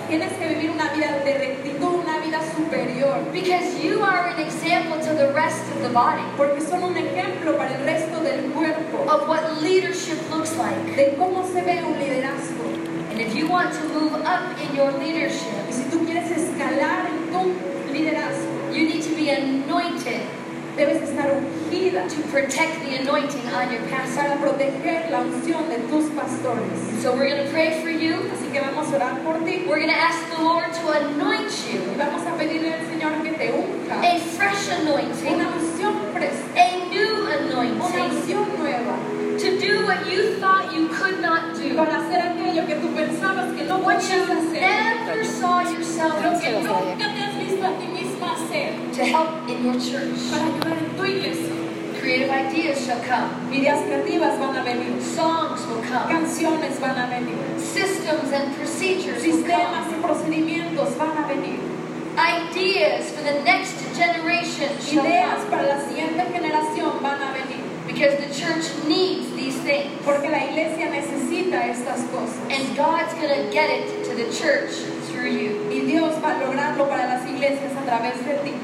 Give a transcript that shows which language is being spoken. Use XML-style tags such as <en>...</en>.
<es>Tienes que vivir una vida de rectitud, una vida. vida superior.</es> <en>Because you are an example to the rest of the body.</en> <es>Porque son un ejemplo para el resto del cuerpo.</es> <en>Of what leadership looks like.</en> <es>De cómo se ve un liderazgo.</es> <en>And if you want to move up in your leadership,</en> <es>y si tú quieres escalar en tu liderazgo,</es> <en>you need to be anointed.</en> <es>Debes estar ungida</es> <en>to protect the anointing on your pastor.</en> <es>Para proteger la unción de tus pastores.</es> <en>So we're going to pray for you.</en> <es>Así que vamos a orar por ti.</es> <en>We're going to ask the Lord to anoint you.</en> <es>Y vamos a pedirle al Señor que te unja.</es> <en>A fresh anointing.</en> <es>Una unción fresca.</es> <en>A new anointing.</en> <es>Una unción nueva.</es> <en>To do what you thought you could not do.</en> <es>Y para hacer aquello que tú pensabas que no podías hacer.</es> <en>What you never saw yourself</en> <es>do. A ti misma hacer.</es> <en>To help in your church.</en> <es>Para ayudar en tu iglesia.</es> <en>Creative ideas shall come.</en> <es>Ideas creativas van a venir.</es> <en>Songs will come.</en> <es>Canciones van a venir.</es> <en>Systems and procedures</en> <es>Sistemas</es> <en>will come.</en> <es>Y procedimientos van a venir.</es> <en>Ideas for the next generation</en> <es>ideas</es> <en>shall come.</en> <es>Ideas para la siguiente generación van a venir.</es> <en>Because the church needs these things.</en> <es>Porque la iglesia necesita estas cosas.</es> <en>And God's going to get it to the church through you.</en> <es>Y Dios va a lograrlo para las iglesias a través de ti.</es>